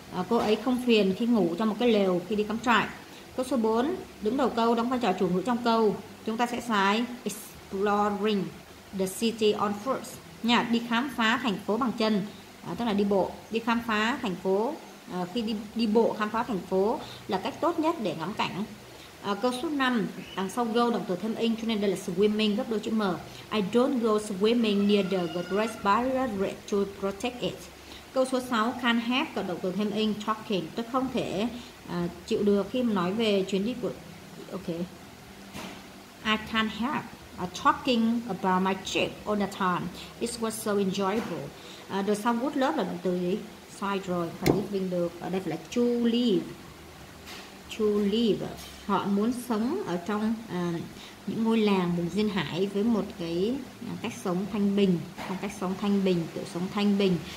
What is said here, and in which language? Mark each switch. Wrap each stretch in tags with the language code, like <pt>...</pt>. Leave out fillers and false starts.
<vi>Cô ấy không phiền khi ngủ trong một cái lều khi đi cắm trại. Câu số 4 đứng đầu câu, đóng vai trò chủ ngữ trong câu, chúng ta sẽ xài</vi> <en>exploring the city on foot,</en> <vi>nhà đi khám phá thành phố bằng chân, tức là đi bộ, đi khám phá thành phố. Khi đi bộ khám phá thành phố là cách tốt nhất để ngắm cảnh. Câu số 5 đằng sau go động từ thêm in, cho nên đây là swimming gấp đôi chữ m.</vi> <en>I don't go swimming near the Great Barrier Reef to protect it.</en> <vi>Câu số 6 can't have cộng động từ thêm in talking, tôi không thể chịu được khi mà nói về chuyến đi của.</vi> <en>Ok, I can't help talking about my trip all the time, it was so enjoyable.</en> <vi>Rồi sau would love là động từ gì? Sai rồi, phải living được, ở đây phải là to live. To live, họ muốn sống ở trong những ngôi làng vùng duyên hải với một cái cách sống thanh bình, phong cách sống thanh bình, kiểu sống thanh bình.</vi>